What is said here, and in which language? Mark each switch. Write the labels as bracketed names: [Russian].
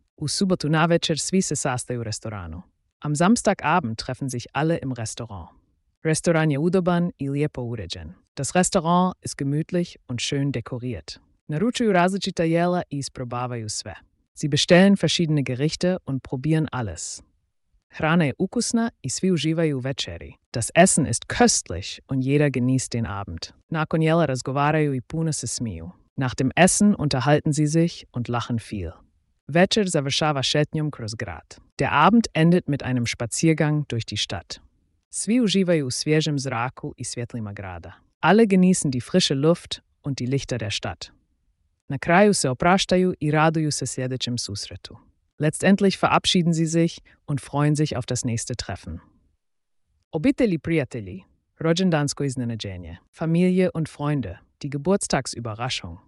[Croatian] U subotu navečer svi se sastaju u restoranu. [German] Am Samstagabend treffen sich alle im Restaurant. [Croatian] Restoran je udoban i lijepo uređen. [German] Das Restaurant ist gemütlich und schön dekoriert. [Croatian] Naručuju različita jela i isprobavaju sve. [German] Sie bestellen verschiedene Gerichte und probieren alles. [Croatian] Hrana je ukusna i svi uživaju u večeri. [German] Das Essen ist köstlich und jeder genießt den Abend. [Croatian] Nakon jela razgovaraju i puno se smiju. [German] Nach dem Essen unterhalten sie sich und lachen viel. [Croatian] Večer završava šetnjom kroz grad. [German] Der Abend endet mit einem Spaziergang durch die Stadt. [Croatian] Svi uživaju u svježem zraku i svjetlima grada. [German] Alle genießen die frische Luft und die Lichter der Stadt. [Croatian] Na kraju se opraštaju i raduju se sljedećem susretu. [German] Letztendlich verabschieden sie sich und freuen sich auf das nächste Treffen. [Croatian] Obitelji prijatelji, rođendansko iznenađenje. [German] Familie und Freunde, die Geburtstagsüberraschung.